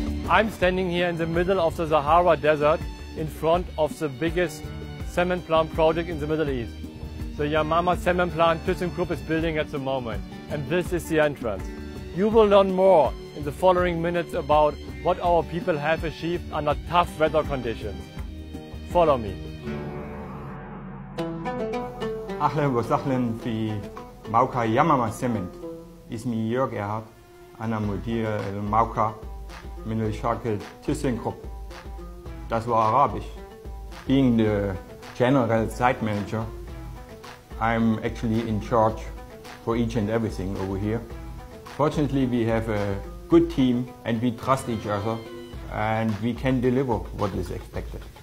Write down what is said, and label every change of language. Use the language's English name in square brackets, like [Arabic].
[English] I'm standing here in the middle of the Sahara Desert in front of the biggest cement plant project in the Middle East. The Yamama cement plant ThyssenKrupp is building at the moment, and this is the entrance. You will learn more in the following minutes about what our people have achieved under tough weather conditions. Follow me. [Arabic] أهلاً وسهلاً في موقع Yamama Cement. اسمي يورغ إرهارد. أنا مدير الموقع من الشركة ThyssenKrupp. [German] Das war Arabisch. [English] Being the general site manager, I'm actually in charge for each and everything over here. Fortunately, we have a good team and we trust each other and we can deliver what is expected.